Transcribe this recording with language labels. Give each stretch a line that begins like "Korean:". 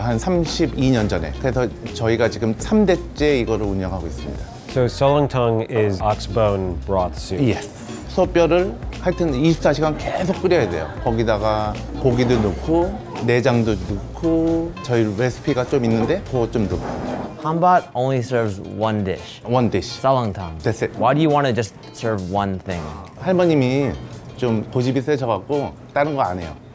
Korean: 한 32년 전에. 그래서 저희가 지금 3대째 이거를 운영하고 있습니다.
English: So seolleungtang is ox bone broth soup. Yes.
Korean: 소뼈를 하여튼 24시간 계속 끓여야 돼요. 거기다가 고기도 넣고 내장도 넣고 저희 레시피가 좀 있는데 그거 좀 넣고.
English: Hanbat only serves one dish. One dish. Seolleungtang. That's it. Why do you want to just serve one thing?
Korean: 할머님이 좀 고집이 세져갖고 다른 거 안 해요.